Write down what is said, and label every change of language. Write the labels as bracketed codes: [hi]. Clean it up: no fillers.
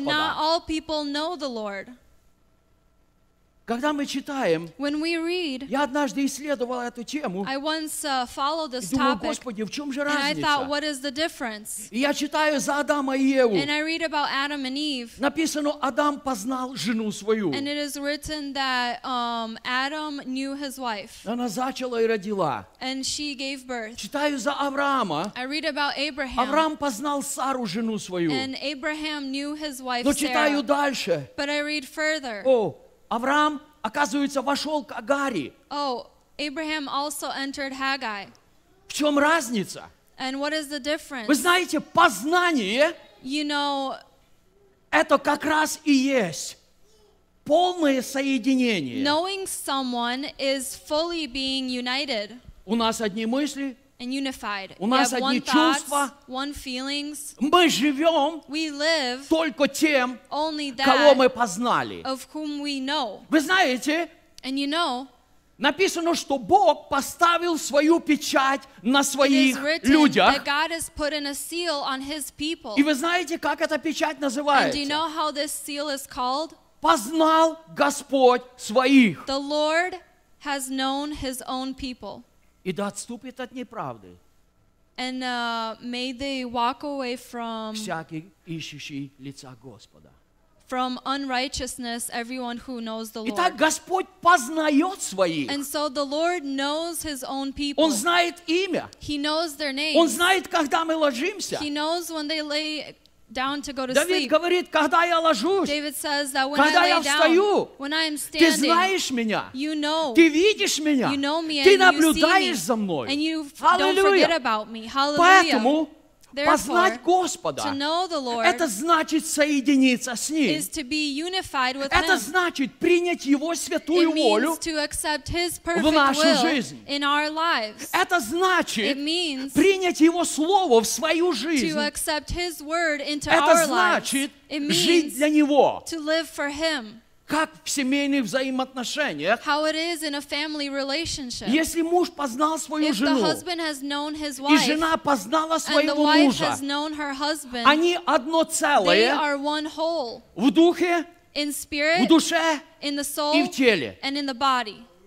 [en] But not all people know the Lord. [ru] Когда мы читаем, [en] when we read, [ru] я однажды исследовал эту тему, [en] I once, followed this [ru] и думаю, [en] topic, [ru] Господи, в чем же разница? [en] And I thought, what is the difference? [ru] И я читаю за Адама и Еву. [en] And I read about Adam and Eve. [ru] Написано, Адам познал жену свою. [en] And it is written that, Adam knew his wife. [ru] Она зачала и родила. [en] And she gave birth. [ru] Читаю за Авраама. [en] I read about Abraham. [ru] Авраам познал Сару, жену свою. [en] And Abraham knew his wife, [ru] Но читаю [en] Sarah. [ru] Дальше. [en] But I read further. [ru] О, Авраам, оказывается, вошел к Агаре. [en] Oh, Abraham also entered Haggai. [ru] В чем разница? [en] And what is the difference? [ru] Вы знаете, познание, [en] you know, [ru] это как раз и есть полное соединение. [en] Knowing someone is fully being united. [ru] У нас одни мысли. [en] And unified. [ru] У нас [en] have [ru] одни [en] one thoughts, [ru] чувства. [en] One feelings. [ru] Мы живем [en] we live [ru] только тем, [en] only that [ru] кого мы познали. [en] Of whom we know. [ru] Вы знаете, [en] and you know, [ru] написано, что Бог поставил свою печать на своих людях. [en] That God has put in a seal on his people. [ru] И вы знаете, как эта печать называется? [en] And do you know how this seal is called? [ru] Познал Господь своих. [en] The Lord has known his own people. [ru] И да отступит от неправды. [en] And may they walk away from [ru] всякий ищущий лица Господа. [en] From unrighteousness, everyone who knows the Lord. [ru] Итак, Господь познает своих. [en] And so the Lord knows His own people. [ru] Он знает имя. [en] He knows their name. [ru] Он знает, когда мы ложимся. [en] He knows when they lay down to go to David sleep. [ru] Говорит, когда я ложусь, [en] David says that when [ru] когда [en] I lay [ru] я встаю, [en] down, when I am standing, you know, [ru] ты видишь меня, [en] you know me [ru] ты [en] and [ru] наблюдаешь [en] you see [ru] за мной. [en] And you don't forget about me. Hallelujah. [ru] Поэтому, познать Господа, [en] to know the Lord, [ru] это значит соединиться с Ним. [en] Is to be unified with [ru] это [en] him. [ru] Значит принять Его святую волю [en] to accept his perfect [ru] в нашу [en] will [ru] жизнь. [en] In our lives. [ru] Это значит [en] it means [ru] принять Его Слово в свою жизнь. [en] To accept his word into [ru] это [en] our [ru] значит [en] lives. [ru] Жить для Него. [en] To live for him. [ru] Как в семейных взаимоотношениях? [en] How it is in a family relationship. [ru] Если муж познал свою [en] if [ru] жену, [en] the husband has known his wife, [ru] и жена познала своего [en] and the wife [ru] мужа, [en] has known her husband, [ru] они одно целое [en] they are one whole, [ru] в духе, [en] in spirit, [ru] в душе [en] in the soul, [ru] и в теле. [en] And in the body.